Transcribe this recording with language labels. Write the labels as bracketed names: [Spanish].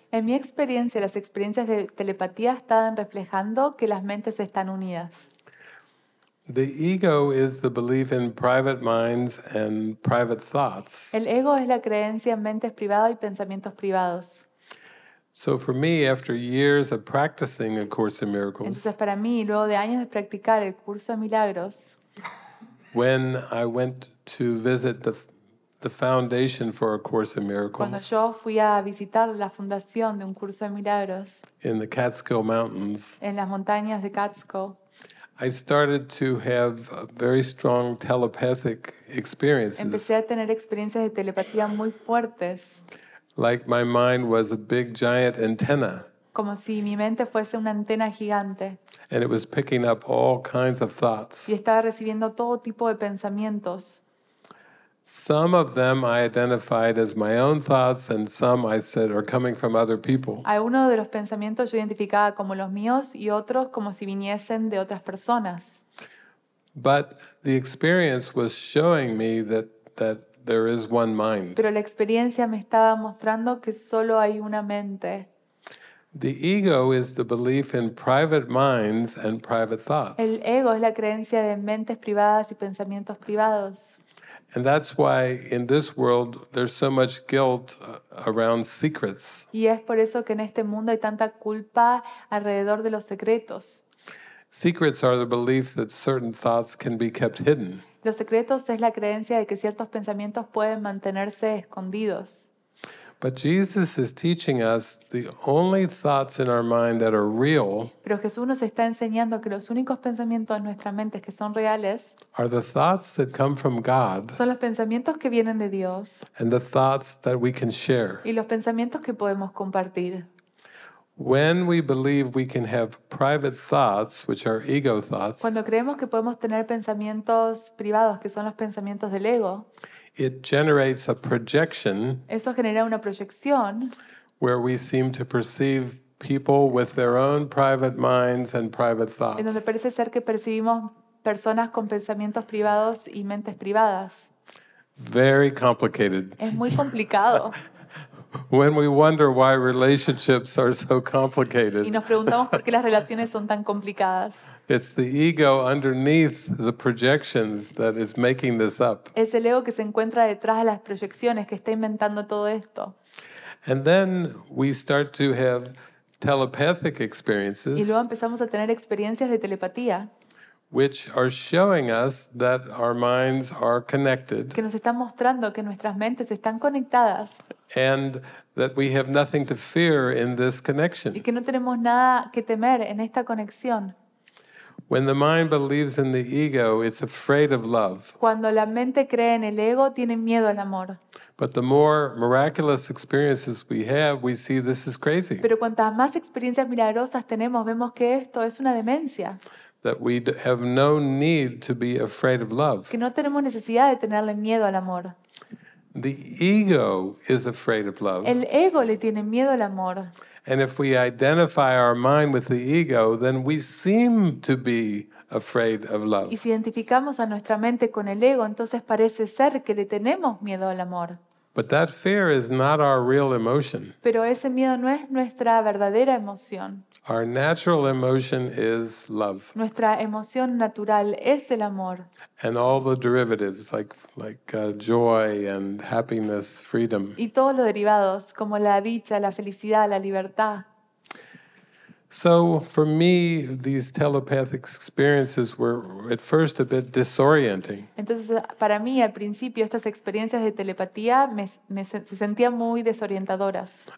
[Spanish] En mi experiencia, las experiencias de telepatía están reflejando que las mentes están unidas. [English] The ego is the belief in private minds and private thoughts. [Spanish] El ego es la creencia en mentes privadas y pensamientos privados. [English] So for me, after years of practicing A Course in Miracles, [Spanish] entonces para mí, luego de años de practicar el curso de milagros, [English] When I went to visit the foundation for A Course in Miracles. [Spanish] Cuando yo fui a visitar la fundación de Un Curso de Milagros. [English] In the Catskill Mountains. [Spanish] En las montañas de Catskill. [English] I started to have a very strong telepathic experiences. [Spanish] Empecé a tener experiencias de telepatía muy fuertes. [English] Like my mind was a big giant antenna. [Spanish] Como si mi mente fuese una antena gigante. [English] And it was picking up all kinds of thoughts. [Spanish] Y estaba recibiendo todo tipo de pensamientos. [English] Some of them I identified as my own thoughts, and some I said are coming from other people. [Spanish] Algunos de los pensamientos yo identificaba como los míos y otros como si viniesen de otras personas. [English] But the experience was showing me that there is one mind. [Spanish] Pero la experiencia me estaba mostrando que solo hay una mente. [English] The ego is the belief in private minds and private thoughts. [Spanish] El ego es la creencia de mentes privadas y pensamientos privados. [English] And that's why in this world there's so much guilt around secrets. [Spanish] Y es por eso que en este mundo hay tanta culpa alrededor de los secretos. [English] Secrets are the belief that certain thoughts can be kept hidden. [Spanish] Los secretos es la creencia de que ciertos pensamientos pueden mantenerse escondidos. [English] But Jesus is teaching us the only thoughts in our mind that are real. [Spanish] Pero Jesús nos está enseñando que los únicos pensamientos en nuestra mente que son reales [English] are the thoughts that come from God. [Spanish] Son los pensamientos que vienen de Dios. [English] And the thoughts that we can share. [Spanish] Y los pensamientos que podemos compartir. [English] When we believe we can have private thoughts, which are ego thoughts. [Spanish] Cuando creemos que podemos tener pensamientos privados que son los pensamientos del ego. [English] It generates a projection. [Spanish] Eso genera una proyección. [English] Where we seem to perceive people with their own private minds and private thoughts. [Spanish] En donde parece ser que percibimos personas con pensamientos privados y mentes privadas. [English] Very complicated. [Spanish] Es muy complicado. [English] When we wonder why relationships are so complicated. [Spanish] Y nos preguntamos por qué las relaciones son tan complicadas. [English] It's the ego underneath the projections that is making this up. [Spanish] Es el ego que se encuentra detrás de las proyecciones que está inventando todo esto. [English] And then we start to have telepathic experiences. [Spanish] Y luego empezamos a tener experiencias de telepatía. [English] Which are showing us that our minds are connected. [Spanish] Que nos están mostrando que nuestras mentes están conectadas. [English] And that we have nothing to fear in this connection. [Spanish] Y que no tenemos nada que temer en esta conexión. [English] When the mind believes in the ego, it's afraid of love. [Spanish] Cuando la mente cree en el ego, tiene miedo al amor. [English] But the more miraculous experiences we have, we see this is crazy. [Spanish] Pero cuantas más experiencias milagrosas tenemos, vemos que esto es una demencia. [English] That we have no need to be afraid of love. [Spanish] Que no tenemos necesidad de tenerle miedo al amor. [English] The ego is afraid of love. [Spanish] El ego le tiene miedo al amor. [English] And if we identify our mind with the ego, then we seem to be afraid of love. [Spanish] Y si identificamos a nuestra mente con el ego, entonces parece ser que le tenemos miedo al amor. [English] But that fear is not our real emotion. [Spanish] Pero ese miedo no es nuestra verdadera emoción. [English] Our natural emotion is love. [Spanish] Nuestra emoción natural es el amor. [English] And all the derivatives like joy and happiness, freedom. [Spanish] Y todos los derivados como la dicha, la felicidad, la libertad. [English] So for me, these telepathic experiences were at first a bit disorienting. [Spanish] Entonces, para mí, al principio, estas experiencias de telepatía me sentía muy desorientadoras.